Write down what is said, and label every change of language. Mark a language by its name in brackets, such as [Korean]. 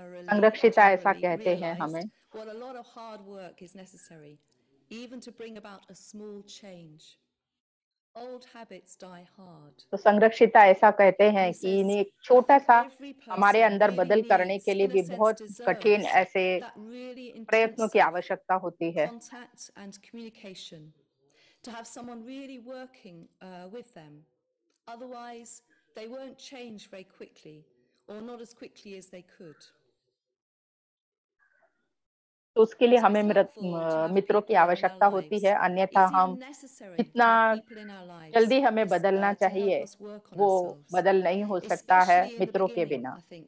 [Hindi] संरक्षिता ऐसा कहते हैं हमें. [English] What a lot of hard work is necessary. Even to bring about a small change, old habits die hard. [Hindi] तो संरक्षिता ऐसा कहते हैं कि इन्हें एक छोटा सा हमारे अंदर बदल करने के लिए भी बहुत कठिन ऐसे प्रयत्नों की आवश्यकता होती है. [English] Contact and communication to have someone really working with them. Otherwise, they won't change very quickly, or not as quickly as they could. [Hindi] तो उसके लिए हमें मित्रों की आवश्यकता होती है, अन्यथा हम कितना जल्दी हमें बदलना चाहिए वो बदल नहीं हो सकता है मित्रों के बिना.